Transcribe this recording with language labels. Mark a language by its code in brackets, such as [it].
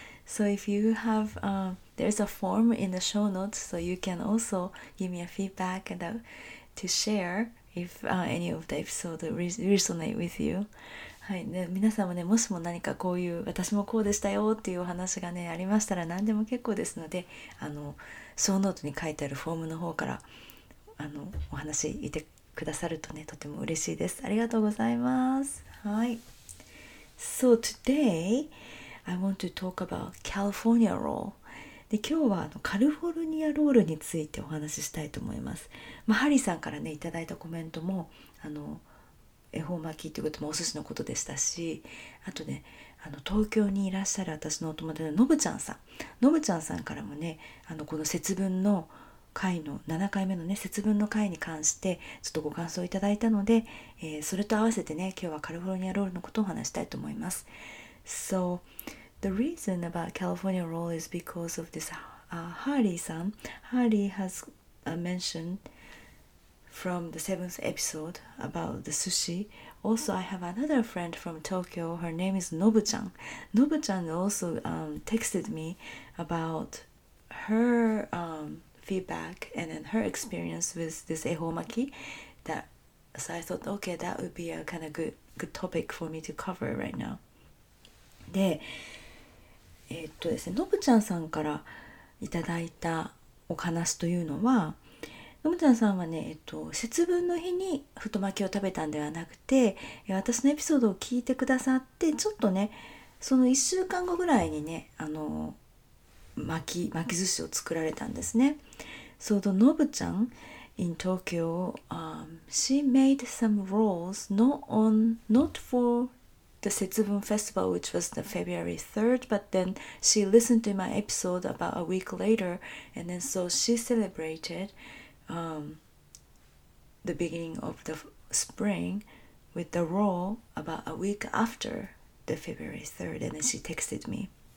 [en] So if you have, there's a form in the show notes, so you can also give me a feedback and to share if any of the episode resonate with you. [ja] はい、で、皆さんもね、もしも何かこういう、私もこうでしたよっていうお話がね、ありましたら何でも結構ですので、ショーノートに書いてあるフォームの方からお話しいてくださるとね、とても嬉しいです。ありがとうございます。 [en] はい。So today... I want to talk about California roll. [ja] で、今日はカリフォルニアロールについてお話ししたいと思います。まあ、ハリーさんからね、いただいたコメントも、恵方巻きということもお寿司のことでしたし、あとね、東京にいらっしゃる私のお友達ののぶちゃんさん。のぶちゃんさんからもね、この節分の回の、7回目のね、節分の回に関して、ちょっとご感想をいただいたので、それと合わせてね、今日はカリフォルニアロールのことを話したいと思います。 [en] So, the reason about California roll is because of this Hari-san. Hari has mentioned from the seventh episode about the sushi. Also, I have another friend from Tokyo. Her name is Nobu-chan. Nobu-chan also texted me about her feedback and then her experience with this ehomaki. So I thought, okay, that would be a kind of good topic for me to cover right now. [ja] で、ですね、のぶちゃんさんからいただいたお話というのは、のぶちゃんさんはね、節分の日に太巻きを食べたんではなくて、私のエピソードを聞いてくださって、ちょっとね、その1週間後ぐらいにね、巻き寿司を作られたんですね。 [en] So the Nobu ちゃん in Tokyo, she made some rolls not for the Setsubun Festival, which was the February 3rd, but then she listened to my episode about a week later, and then so she celebrated the beginning of the spring with the roll about a week after the February 3rd, and then she texted me.